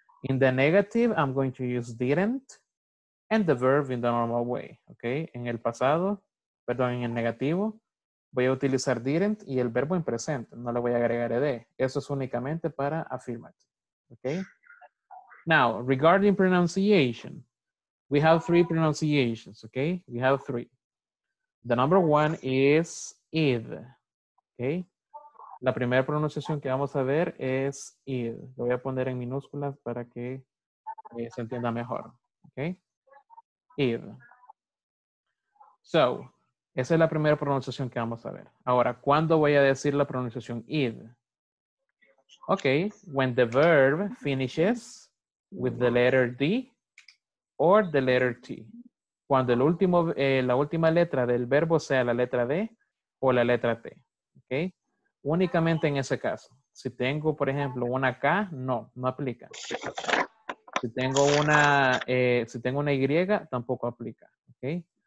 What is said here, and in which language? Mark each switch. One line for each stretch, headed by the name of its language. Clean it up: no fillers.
English: In the negative, I'm going to use didn't. And the verb in the normal way, ¿ok?
Spanish: En el pasado, perdón, en el negativo, voy a utilizar didn't y el verbo en presente. No le voy a agregar ed. Eso es únicamente para affirmative, ¿ok?
English: Now, regarding pronunciation, we have three pronunciations, ¿ok? We have three. The number one is id, ¿ok?
Spanish: La primera pronunciación que vamos a ver es id. Lo voy a poner en minúsculas para que se entienda mejor, ¿ok? Ir. So, esa es la primera pronunciación que vamos a ver. Ahora, ¿cuándo voy a decir la pronunciación id?
English: Ok, when the verb finishes with the letter D or the letter T.
Spanish: Cuando el último, la última letra del verbo sea la letra D o la letra T. Ok, únicamente en ese caso. Si tengo, por ejemplo, una K, no, no aplica. Si tengo una Y, tampoco aplica, ¿ok?